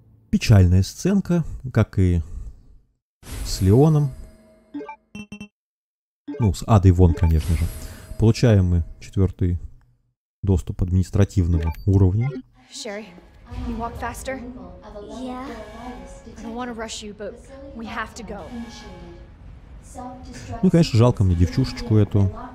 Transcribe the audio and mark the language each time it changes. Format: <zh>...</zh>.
<ru>Печальная сценка, как и с Леоном. Ну, с Адой Вон, конечно же. Получаем мы четвертый доступ административного уровня.</ru> <en>Шерри,</en> <ru>ты</ru> <en>walk faster? Yeah. I don't want to rush you, but we have to go.</en> <ru>Ну, конечно, жалко мне девчушечку эту.</ru>